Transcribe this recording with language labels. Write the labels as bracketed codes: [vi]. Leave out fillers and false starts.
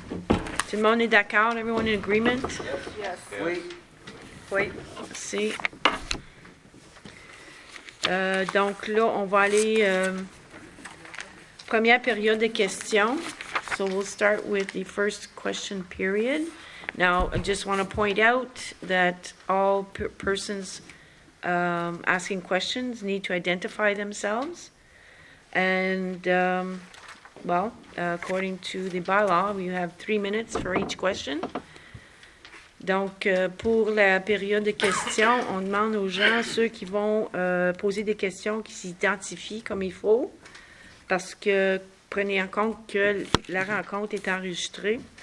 [fr] Tout le monde est d'accord? [en] Everyone in agreement? Yes. [fr] Oui. Si. Donc là, on va aller première période de questions. [en] So we'll start with the first question period. Now, I just want to point out that all persons asking questions need to identify themselves. And... well, according to the bylaw, you have 3 minutes for each question. [fr] Donc, pour la période de questions, on demande aux gens, ceux qui vont poser des questions, qui s'identifient comme il faut, parce que prenez en compte que la rencontre est enregistrée.